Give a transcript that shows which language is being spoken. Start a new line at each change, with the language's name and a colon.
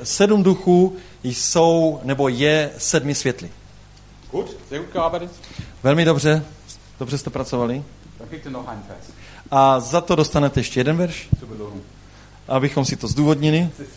Czech: sedm duchů jsou, nebo je sedmi světly.
German: Gut, sehr gut gearbeitet.
Czech: Velmi dobře. Dobře jste pracovali.
German: Dann kriegt ihr noch einen Vers.
Czech: A za to dostanete ještě jeden verš. Abychom si to zdůvodnili.